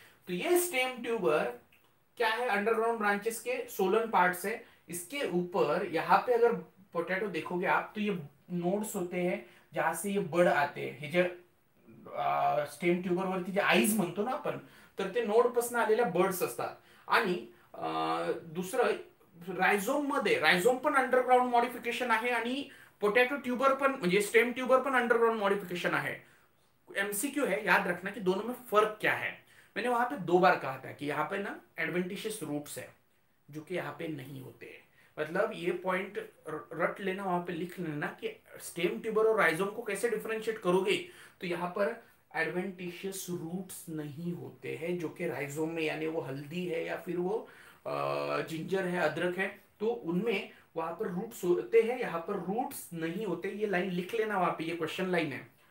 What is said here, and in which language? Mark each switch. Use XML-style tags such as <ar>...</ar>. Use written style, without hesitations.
<hi>तो ये</hi> <mr>stem tuber क्या है, अंडरग्राउंड ब्रांचेस के सोलन पार्ट्स है, इसके ऊपर यहाँ पे अगर पोटैटो देखोगे आप, तो ये नोड्स होते हैं जहां से ये बड़ आते हैं, स्टेम ट्यूबर वरती जे आईज म्हणतो ना आपण, तर ते नोड पासून आलेल्या बड्स असतात। आणि दुसरं रायझोम मध्ये, रायझोम पण अंडरग्राउंड मॉडिफिकेशन आहे, आणि पोटॅटो ट्यूबर पण, म्हणजे स्टेम ट्यूबर पण अंडरग्राउंड मॉडिफिकेशन आहे।</mr> <hi>एमसीक्यू है, याद रखना कि दोनों में फर्क क्या है। मैंने वहां पे दो बार कहा था कि यहाँ पे ना एडवेंटिशियस रूट्स है जो कि यहाँ पे नहीं होते, मतलब ये पॉइंट रट लेना, वहां पे लिख लेना कि स्टेम ट्यूबर और राइजोम को कैसे डिफरेंशिएट करोगे, तो यहाँ पर एडवेंटिशियस रूट्स नहीं होते हैं जो कि राइजोम में, यानी वो हल्दी है या फिर वो जिंजर है, अदरक है, तो उनमें वहां पर रूट्स होते हैं, यहाँ पर रूट्स नहीं होते, ये लाइन लिख लेना वहां पे, ये क्वेश्चन लाइन है।</hi>